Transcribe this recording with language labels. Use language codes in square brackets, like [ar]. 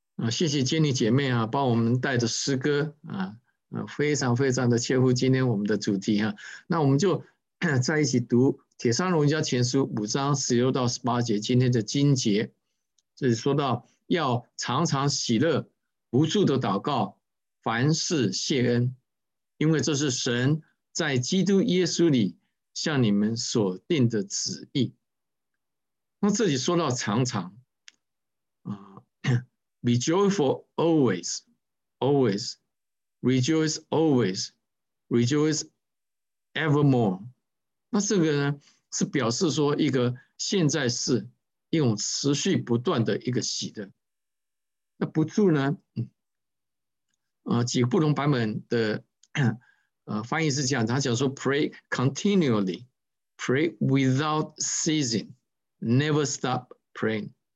[zh] 谢谢Jenny姐妹帮我们带着诗歌非常非常的切合今天我们的主题那我们就在一起读帖撒罗尼迦前书5章16到18节今天的经节，这里说到要常常喜乐，不住的祷告，凡事谢恩，因为这是神在基督耶稣里向你们所定的旨意。那这里说到常常 [en] Be joyful always, always. Rejoice always, rejoice evermore. [zh] 那这个呢，是表示说一个现在是一种持续不断的一个喜乐。那不住呢，几个不同版本的翻译是这样，他讲说 [en] pray continually, pray without ceasing, never stop praying.